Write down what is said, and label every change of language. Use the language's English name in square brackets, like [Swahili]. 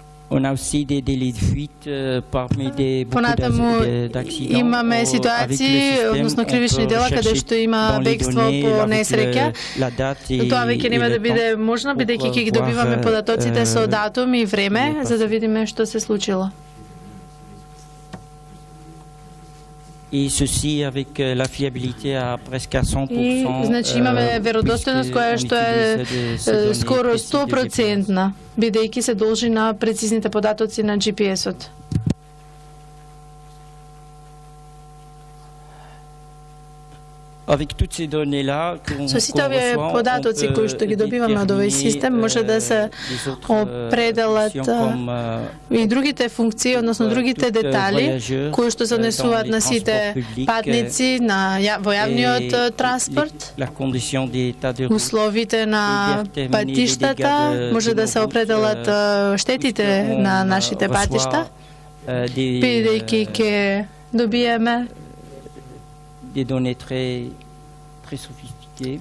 [French] On a aussi des délits de fuite parmi des beaucoup d'accidents. [Macedonian] Имаме ситуации, односно кривични дела каде што има бегство по несреќа. Тоа веќе нема да биде можно бидејќи ќе ги добиваме податоците со датум и време за да видиме што се случило. [French] И ceci avec la fiabilité à presque 100%. [Macedonian] Значи имаме веродостојност која што е скоро 100%, бидејќи се должи на прецизните податоци на GPS-от. [French] Avec toutes ces données là, [Macedonian] со сите овие податоци кои што ги добиваме од овој систем, може да се определат и другите функции, односно другите детали кои што се однесуваат на сите патници на во јавниот транспорт. Условите на патиштата може да се определат штетите на нашите патишта. Бидејќи ќе добиеме [French] des données très sophistiquées.